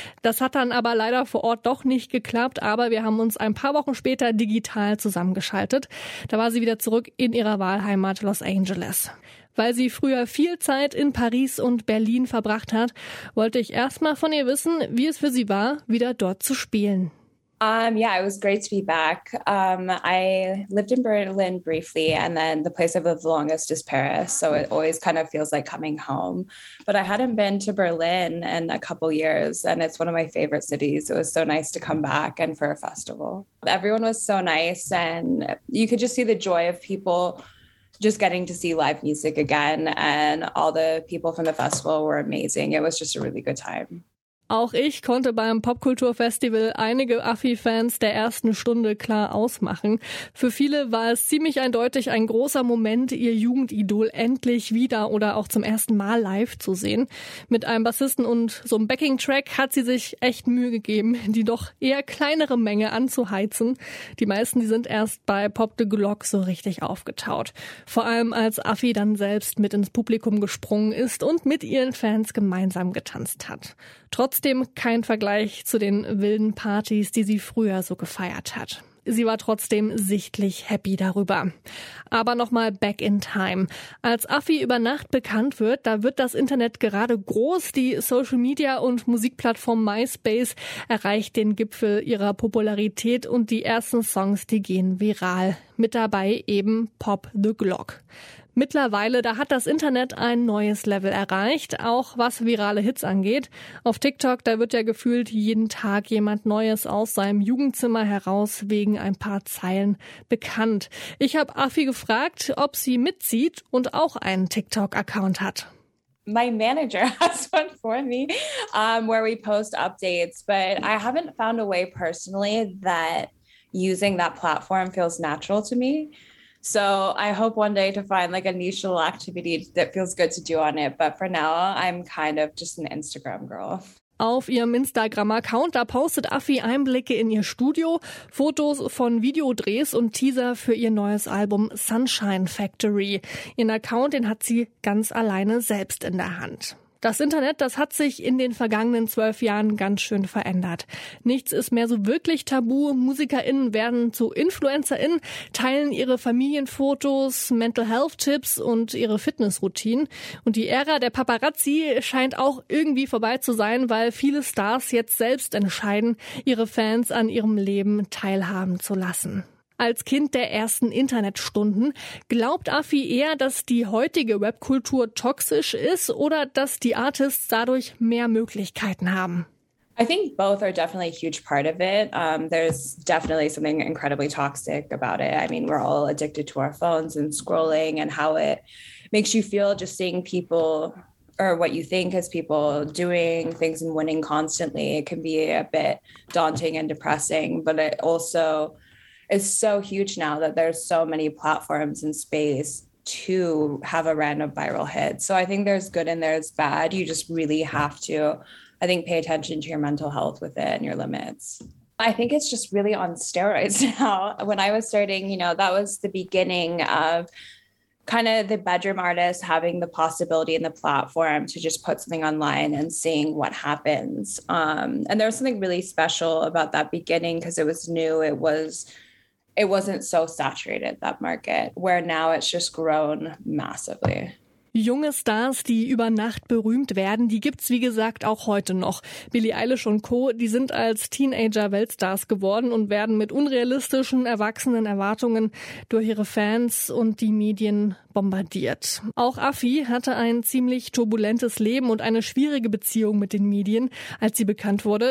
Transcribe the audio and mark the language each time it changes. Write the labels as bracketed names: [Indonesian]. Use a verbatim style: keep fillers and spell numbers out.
[German] Das hat dann aber leider vor Ort doch nicht geklappt, aber wir haben uns ein paar Wochen später digital zusammengeschaltet. Da war sie wieder zurück in ihrer Wahlheimat Los Angeles. Weil sie früher viel Zeit in Paris und Berlin verbracht hat, wollte ich erstmal von ihr wissen, wie es für sie war, wieder dort zu spielen. [English] Um, yeah, it was great to be back. Um, I lived in Berlin briefly, and then the place I've lived the longest is Paris. So it always kind of feels like coming home. But I hadn't been to Berlin in a couple years, and it's one of my favorite cities. It was so nice to come back and for a festival. Everyone was so nice, and you could just see the joy of people just getting to see live music again. And all the people from the festival were amazing. It was just a really good time. [German] Auch ich konnte beim Popkulturfestival einige Affi-Fans der ersten Stunde klar ausmachen. Für viele war es ziemlich eindeutig ein großer Moment, ihr Jugendidol endlich wieder oder auch zum ersten Mal live zu sehen. Mit einem Bassisten und so einem Backing-Track hat sie sich echt Mühe gegeben, die doch eher kleinere Menge anzuheizen. Die meisten, die sind erst bei Pop the Glock so richtig aufgetaut. Vor allem als Affi dann selbst mit ins Publikum gesprungen ist und mit ihren Fans gemeinsam getanzt hat. Trotzdem kein Vergleich zu den wilden Partys, die sie früher so gefeiert hat. Sie war trotzdem sichtlich happy darüber. Aber nochmal [English] back in time. [German] Als Affi über Nacht bekannt wird, da wird das Internet gerade groß. Die Social Media und Musikplattform MySpace erreicht den Gipfel ihrer Popularität und die ersten Songs, die gehen viral. Mit dabei eben Pop the Glock. Mittlerweile, da hat das Internet ein neues Level erreicht, auch was virale Hits angeht. Auf TikTok, da wird ja gefühlt jeden Tag jemand Neues aus seinem Jugendzimmer heraus wegen ein paar Zeilen bekannt. Ich habe Affi gefragt, ob sie mitzieht und auch einen TikTok-Account hat. [English] My manager has one for me um, where we post updates, but I haven't found a way personally that using that platform feels natural to me. So I hope one day to find like a niche little activity that feels good to do on it. But for now, I'm kind of just an Instagram girl. [German] Auf ihrem Instagram-Account, da postet Affi Einblicke in ihr Studio, Fotos von Videodrehs und Teaser für ihr neues Album Sunshine Factory. Ihren Account, den hat sie ganz alleine selbst in der Hand. Das Internet, das hat sich in den vergangenen zwölf Jahren ganz schön verändert. Nichts ist mehr so wirklich tabu. MusikerInnen werden zu InfluencerInnen, teilen ihre Familienfotos, Mental Health Tipps und ihre Fitnessroutinen. Und die Ära der Paparazzi scheint auch irgendwie vorbei zu sein, weil viele Stars jetzt selbst entscheiden, ihre Fans an ihrem Leben teilhaben zu lassen. Als Kind der ersten Internetstunden, glaubt Affi eher, dass die heutige Rapkultur toxisch ist oder dass die Artists dadurch mehr Möglichkeiten haben? [English] I think both are definitely a huge part of it. Um, there's definitely something incredibly toxic about it. I mean, we're all addicted to our phones and scrolling and how it makes you feel just seeing people or what you think is people doing things and winning constantly. It can be a bit daunting and depressing, but it also it's so huge now that there's so many platforms and space to have a random viral hit. So I think there's good and there's bad. You just really have to, I think, pay attention to your mental health with it and your limits. I think it's just really on steroids now. When I was starting, you know, that was the beginning of kind of the bedroom artist having the possibility and the platform to just put something online and seeing what happens. Um, and there was something really special about that beginning because it was new. It was... It wasn't so saturated, that market, where now it's just grown massively. [German] Junge Stars, die über Nacht berühmt werden, die gibt's wie gesagt auch heute noch. Billie Eilish und Co., die sind als Teenager Weltstars geworden und werden mit unrealistischen, erwachsenen Erwartungen durch ihre Fans und die Medien bombardiert. Auch Affi hatte ein ziemlich turbulentes Leben und eine schwierige Beziehung mit den Medien, als sie bekannt wurde.